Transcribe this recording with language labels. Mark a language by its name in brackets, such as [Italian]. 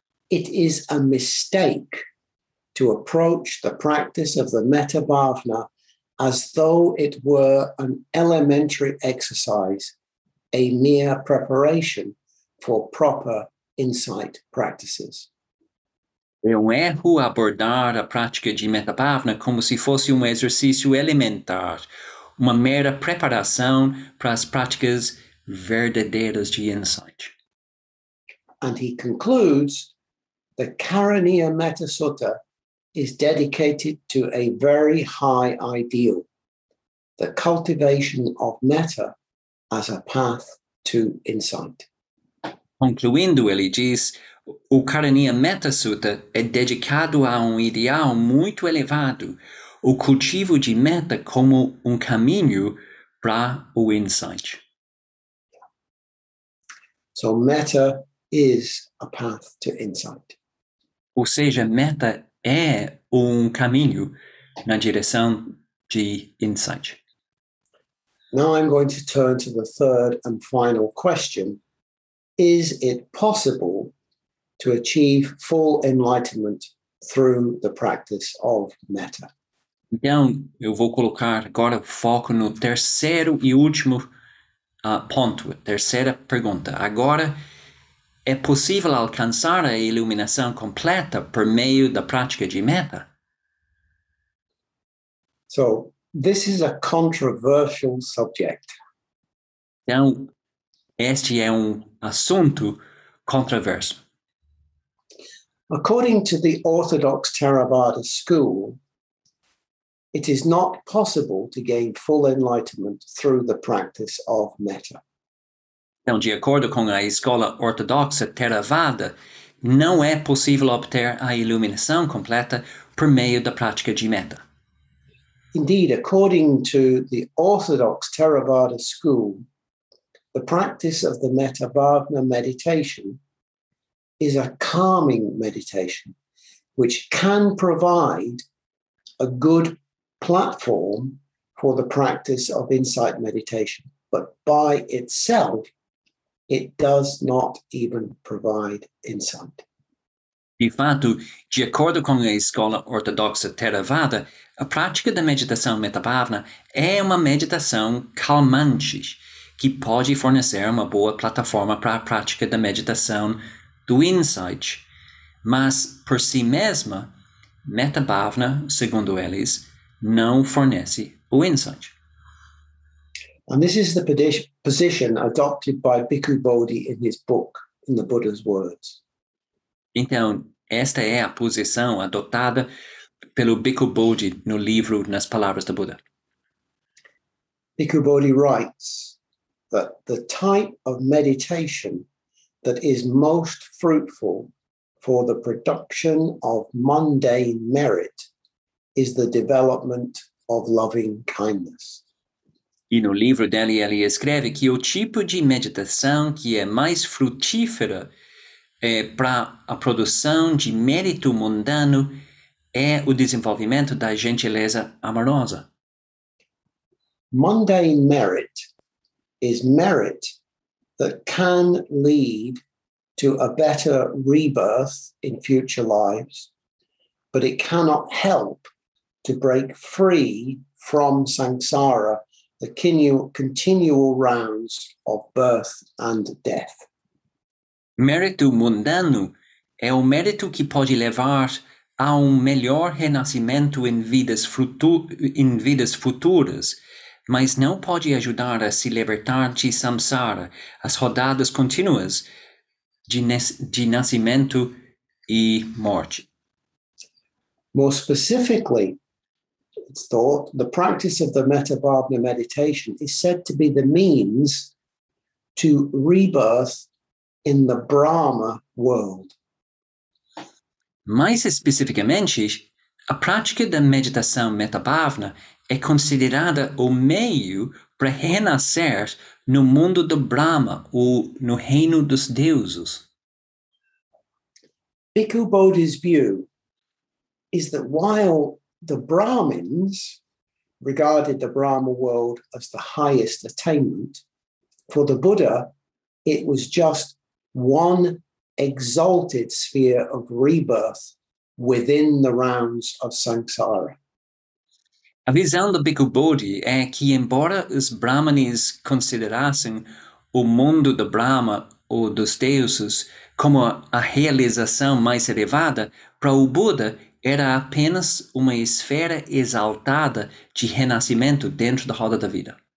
[English] It is a mistake to approach the practice of the metta bhavana as though it were an elementary exercise, a mere preparation for proper insight practices. [Portuguese] É um erro abordar a prática de metta bhavana como se fosse um exercício elementar, uma mera preparação para as práticas verdadeiras de insight. [English] And he concludes, the Karaniya Metta Sutta is dedicated to a very high ideal, the cultivation of metta as a path to insight. [Portuguese] Concluindo, ele diz, o Karaniya Metta Sutta é dedicado a um ideal muito elevado, o cultivo de metta como caminho para o insight. [English] So metta is a path to insight. [Portuguese] Ou seja, metta é caminho na direção de insight. [English] Now I'm going to turn to the third and final question. Is it possible to achieve full enlightenment through the practice of metta? [Portuguese] Então, eu vou colocar agora o foco no terceiro e último ponto, terceira pergunta. Agora, é possível alcançar a iluminação completa por meio da prática de metta? [English] So, this is a controversial subject. [Portuguese] Então, este é assunto controverso. [English] According to the Orthodox Theravada school, it is not possible to gain full enlightenment through the practice of metta. [Portuguese] Então, de acordo com a escola ortodoxa Theravada, não é possível obter a iluminação completa por meio da prática de metta. [English] Indeed, according to the Orthodox Theravada school, the practice of the Metta Bhavana meditation is a calming meditation, which can provide a good platform for the practice of insight meditation, but by itself, it does not even provide insight. [Portuguese] De fato, de acordo com a escola ortodoxa Theravada, a prática da meditação Metta-Bhavana é meditação calmante, que pode fornecer boa plataforma para a prática da meditação do insight. Mas, por si mesma, Metta-Bhavana, segundo eles, não fornece insight. [English] And this is the position adopted by Bhikkhu Bodhi in his book, in the Buddha's words. [Portuguese] Então, esta a posição adotada pelo Bhikkhu Bodhi no livro Nas Palavras do Buddha. [English] Bhikkhu Bodhi writes that the type of meditation that is most fruitful for the production of mundane merit is the development of loving kindness. [Portuguese] E no livro dele, ele escreve que o tipo de meditação que é mais frutífera para a produção de mérito mundano é o desenvolvimento da gentileza amorosa. [English] Mundane merit is merit that can lead to a better rebirth in future lives, but it cannot help to break free from samsara, the continual rounds of birth and death. [Portuguese] Mérito mundano é o mérito que pode levar a melhor renascimento vidas futuras, mas não pode ajudar a se libertar de samsara, as rodadas contínuas de nascimento e morte. [English] More specifically, it's thought the practice of the Metta Bhavana meditation is said to be the means to rebirth in the Brahma world. [Portuguese] Mais especificamente, a prática da meditação Metta Bhavana é considerada meio para renascer no mundo do Brahma, ou no reino dos deuses. [English] Bhikkhu Bodhi's view is that while the Brahmins regarded the Brahma world as the highest attainment, for the Buddha, it was just one exalted sphere of rebirth within the rounds of samsara. [Portuguese] A visão do Bhikkhu Bodhi é que, embora os Brahmanis considerassem o mundo do Brahma ou dos deuses como a realização mais elevada, para o Buda era apenas esfera exaltada de renascimento dentro da roda da vida.